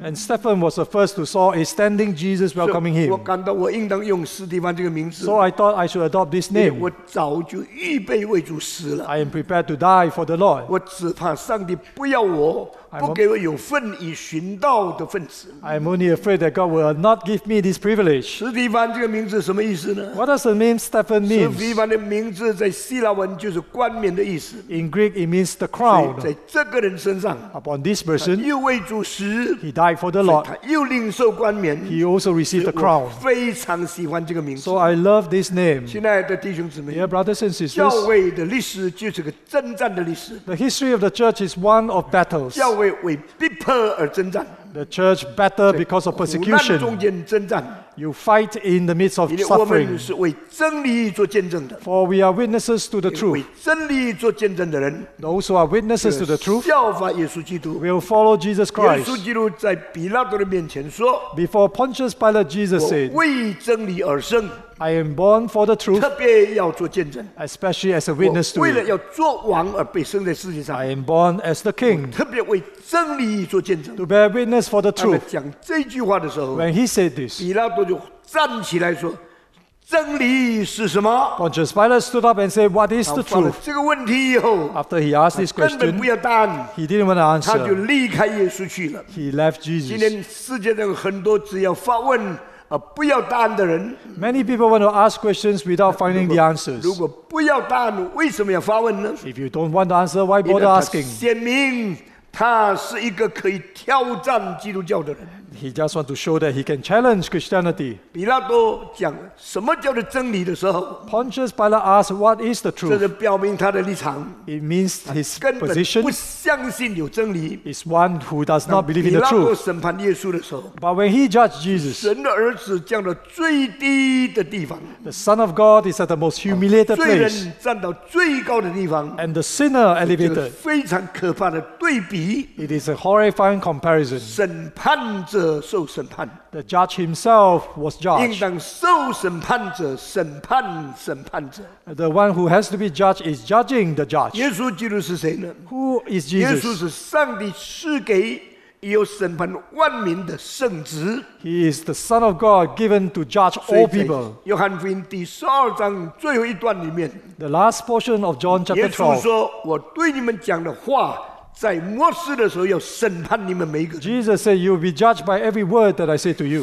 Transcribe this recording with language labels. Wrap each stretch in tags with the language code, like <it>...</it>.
<en>And Stephen was the first to saw a standing Jesus welcoming him。</en> <zh>我感到我应当用史提凡这个名字。</zh> <en>So I thought I should adopt this name。</en> <zh>我早就预备为主死了。</zh> <en>I am prepared to die for the Lord。</en> <zh>我只怕上帝不要我。不给我有份以寻道的份子。</zh> <en>I'm only afraid that God will not give me this privilege.</en> <zh>史提凡这个名字什么意思呢</zh> <en>？What does the name Stephen mean?</en> <zh>史提凡的名字在希腊文就是冠冕的意思。</zh> <en>In Greek, it means the crown.</en> <zh>在这个人身上</zh> <en>，upon this person,</en> <zh>又为主死</zh> <en>，he died for the Lord.</en> <zh>他又领受冠冕</zh> <en>，he also received the crown.</en> <zh>非常喜欢这个名字。</zh> <en>So I love this name.</en> <zh>亲爱的弟兄姊妹</zh> <en>，Dear brothers and sisters,</en> <zh>教会的历史就是个征战的历史。</zh> <en>The history of the church is one of battles.</en> <zh>为逼迫而征战。</zh> <en>The church battle because of persecution.</en> <zh>苦难中间征战。</zh> <en>You fight in the midst of suffering.</en> <zh>我们是为真理做见证的。</zh> <en>For we are witnesses to the truth.</en> <zh>为真理做见证的人。</zh> <en>Those who are witnesses to the truth.</en> <zh>效法耶稣基督。</zh> <en>Will follow Jesus Christ.</en> <zh>耶稣基督在比拉多的面前说。</zh> <en>Before Pontius Pilate, Jesus said.</en> <zh>我为真理而生。</zh> <en>I am born for the truth.</en> <zh>特别要做见证。</zh> <en>Especially as a witness to it.</en> <zh>为了要做王而被生在世界上。</zh> <en>I am born as the king.</en> <zh>特别为真理做见证。</zh> <en>To bear witness for the truth.</en> <zh>当他讲这句话的时候。</zh> <en>When he said this.</en> <zh>比拉多就站起来说，真理是什么</zh> <en>？Pontius Pilate stood up and said, "What is the truth?"</en> <zh>这个问题以后</zh> <en>，After he asked this question,</en> <zh>根本不要答案。</zh> <en>He didn't want to answer.</en> <zh>他就离开耶稣去了。</zh> <en>He left Jesus.</en> <zh>今天世界上很多只要发问。不要答案的人</zh> <en>，Many people want to ask questions without finding the answers.</en> <zh>如果不要答案，为什么要发问呢</zh> <en>？If you don't want the answer, why bother asking?</en> <zh>显明他是一个可以挑战基督教的人。</zh> <en>he just want to show that he can challenge Christianity.</en> <zh>比拉多讲什么叫做真理的时候</zh> <en>，Pontius Pilate asked what is the truth.</en> <zh>这是表明他的立场。</zh> <en>It means his position.</en> <zh>不相信有真理。</zh> <en>Is one who does not believe in the truth.</en> <zh>比拉多审判耶稣的时候</zh> <en>，But when he judged Jesus,</en> <zh>神的儿子降到最低的地方。</zh> <en>The Son of God is at the most humiliated place.</en> <zh>罪人站到最高的地方。</zh> <en>And the sinner elevated.</en> <zh>非常可怕的对比。</zh> <en>It is a horrifying comparison.</en> <zh>审判者受审判。</zh> <en>The judge himself was judged.</en> <zh>应当受审判者审判审判者。</zh> <en>The one who has to be judged is judging the judge.</en> <zh>耶稣基督是谁呢</zh> <en>？Who is Jesus?</en> <zh>耶稣是上帝赐给有审判万民的圣职。</zh> <en>He is the Son of God given to judge all people.</en> <zh>约翰福音第十二章最后一段里面</zh> <en>，The last portion of John chapter 12.</en> <zh>耶稣说：“我对你们讲的话。” 在末世的时候要审判你们每一个人。</zh> <en>Jesus said, "You will be judged by every word that I say to you."</en>